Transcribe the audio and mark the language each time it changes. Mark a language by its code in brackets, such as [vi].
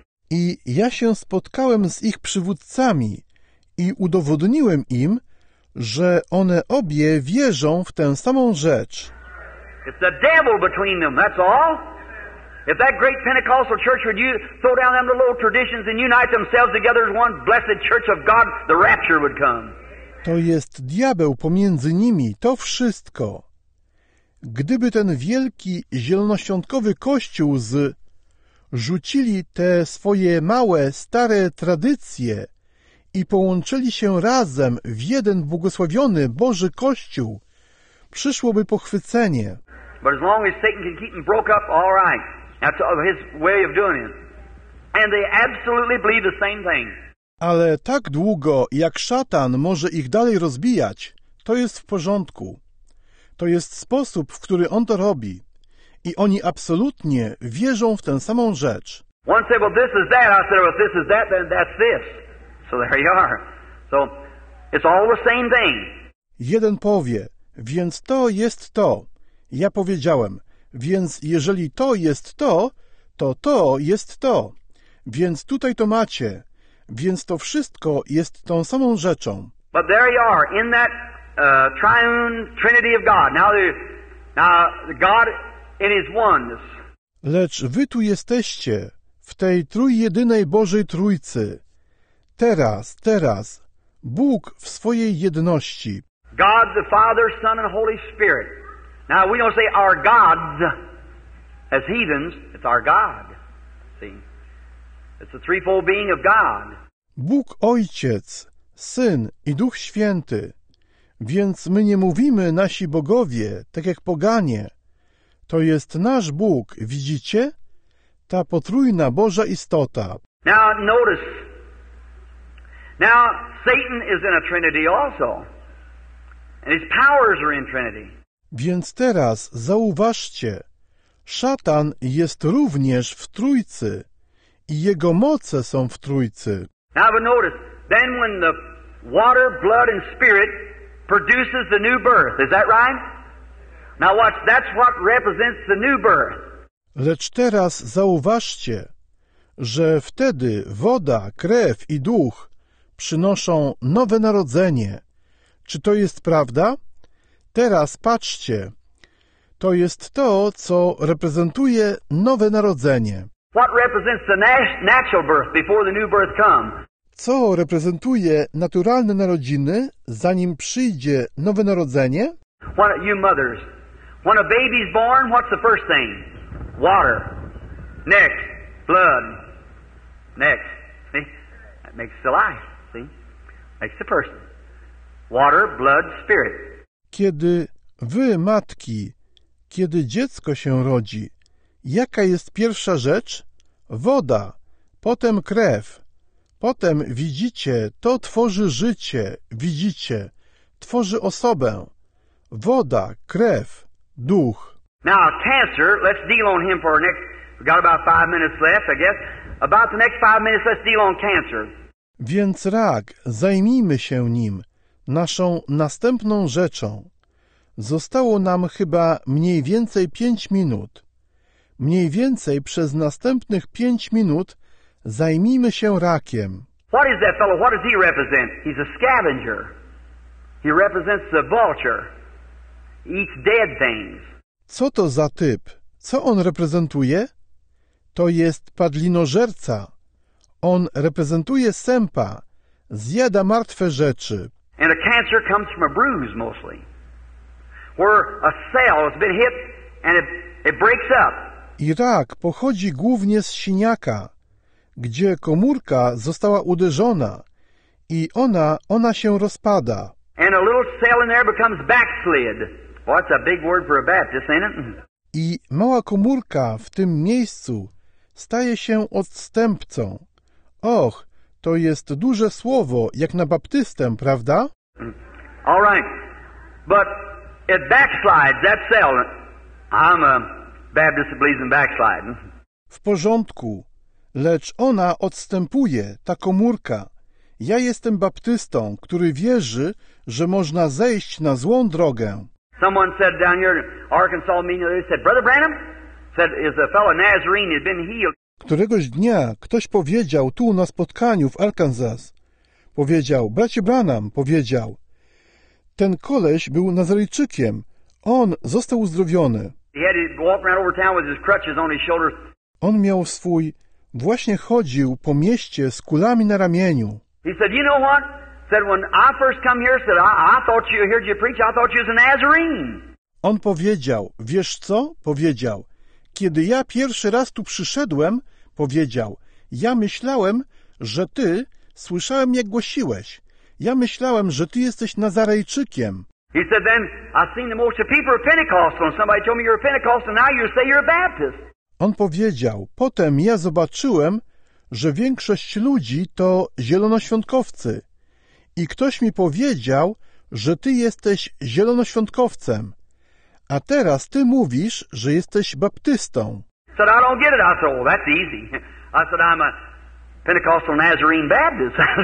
[pl] I ja się spotkałem z ich przywódcami i udowodniłem im, że one obie wierzą w tę samą rzecz. [en] It's the devil between them, that's all. If that great Pentecostal church would you throw down them little traditions and unite themselves together as one blessed church of God, the rapture would come. [pl] To jest diabeł pomiędzy nimi, to wszystko. Gdyby ten wielki zielonoświątkowy kościół rzucili te swoje małe, stare tradycje i połączyli się razem w jeden błogosławiony Boży Kościół, przyszłoby pochwycenie. [en] But as long as Satan can keep them broke up, all right. That's his way of doing it. And they absolutely believe the same thing. [pl] Ale tak długo, jak szatan może ich dalej rozbijać, to jest w porządku. To jest sposób, w który on to robi. I oni absolutnie wierzą w tę samą rzecz. [en] One said, well, this is that. I said, well, if this is that, then that's this. So there you are. So it's all the same thing. [pl] Jeden powie, więc to jest to. Ja powiedziałem, więc jeżeli to jest to, to to jest to. Więc tutaj to macie. Więc to wszystko jest tą samą rzeczą. [en] But there you are, in that triune trinity of God. Now God in his oneness. [pl] Lecz wy tu jesteście, w tej trójjedynej Bożej Trójcy. Teraz, Bóg w swojej jedności. [en] God the Father, Son and Holy Spirit. Now we don't say our gods as heathens, it's our God. See? It's the threefold being of God. [pl] Bóg Ojciec, Syn i Duch Święty. Więc my nie mówimy nasi bogowie, tak jak poganie. To jest nasz Bóg, widzicie? Ta potrójna Boża istota. [en] Now notice. Now Satan is in a trinity also. And his powers are in trinity. [pl] Więc teraz zauważcie, szatan jest również w Trójcy i jego moce są w Trójcy. [en] Now but notice, then when the water, blood and spirit produces the new birth, is that right? Now watch, that's what represents the new birth. [pl] Lecz teraz zauważcie, że wtedy woda, krew i duch przynoszą nowe narodzenie, Czy to jest prawda? Teraz patrzcie. To jest to, co reprezentuje nowe narodzenie. [en] What represents the natural birth before the new birth comes? [pl] Co reprezentuje naturalne narodziny, zanim przyjdzie nowe narodzenie? [en] What you mothers, when a baby's born, what's the first thing? Water. Next, blood. Next, see? That makes the life, see? Makes the person. Water, blood, spirit. [pl] Kiedy wy, matki, kiedy dziecko się rodzi, jaka jest pierwsza rzecz? Woda, potem krew. Potem widzicie, to tworzy życie, widzicie, tworzy osobę. Woda, krew, duch. [en] Now, cancer, let's deal on him for our next, we've got about 5 minutes left, I guess. About the next 5 minutes, let's deal on cancer. [pl] Więc rak, zajmijmy się nim, naszą następną rzeczą. Zostało nam chyba mniej więcej 5 minut. Mniej więcej przez następnych 5 minut zajmijmy się rakiem. [en] What is that fellow? What does he represent? He's a scavenger. He represents the vulture. He eats dead things. [pl] Co to za typ? Co on reprezentuje? To jest padlinożerca. On reprezentuje sępa. Zjada martwe rzeczy. [en] And a cancer comes from a bruise mostly. Where a cell has been hit and it breaks up. [pl] I rak pochodzi głównie z siniaka, gdzie komórka została uderzona i ona się rozpada. [en] And a little cell in there becomes backslid. Well, that's a big word for a Baptist, ain't it? [pl] I mała komórka w tym miejscu staje się odstępcą. Och, to jest duże słowo, jak na baptystę, prawda? [en] All right. But it backslides, that cell. I'm a Baptist that believes in backsliding. [pl] W porządku. Lecz ona odstępuje, ta komórka. Ja jestem baptystą, który wierzy, że można zejść na złą drogę. [en] Someone said down here in Arkansas meeting, they said, Brother Branham, said, is a fellow Nazarene, he's been healed. [pl] Któregoś dnia ktoś powiedział tu na spotkaniu w Arkansas, powiedział, bracie Branham, powiedział, ten koleś był Nazarejczykiem, on został uzdrowiony. [en] He had to walk around over town with his crutches on his shoulder. [pl] On miał swój, właśnie chodził po mieście z kulami na ramieniu. [en] He said, you know what? Said, when I first come here, said, I thought you heard you preach, I thought you was a Nazarene. [pl] On powiedział, wiesz co? Powiedział, kiedy ja pierwszy raz tu przyszedłem, powiedział, ja myślałem, że ty, słyszałem jak głosiłeś, ja myślałem, że ty jesteś Nazarejczykiem. [en] He said, then I seen the most of people are Pentecostal, and somebody told me you're a Pentecostal, and now you say you're a Baptist. [pl] On powiedział, potem ja zobaczyłem, że większość ludzi to zielonoświątkowcy. I ktoś mi powiedział, że ty jesteś zielonoświątkowcem. A teraz ty mówisz, że jesteś baptystą. [en] Said, I don't get it. I said, well, that's easy. I said, I'm a Pentecostal Nazarene Baptist.